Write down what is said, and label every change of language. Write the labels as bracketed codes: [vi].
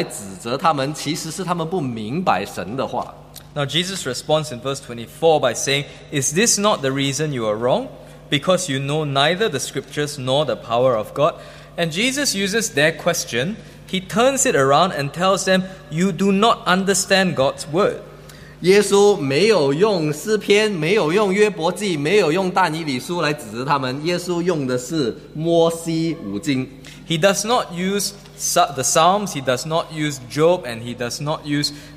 [zh] 所以耶稣这现在是把这个问题完全的转变了过来，用来指责他们，其实是他们不明白神的话。 [en] Now Jesus responds in verse 24 by saying, is this not the reason you are wrong? Because you know neither the scriptures nor the power of God. And Jesus uses their question, he turns it around and tells them, you do not understand God's word. [zh] 耶稣没有用诗篇，没有用约伯记，没有用但以理书来指责他们，耶稣用的是摩西五经。 [en] He does not use the Psalms, he does not use Job, and he does not use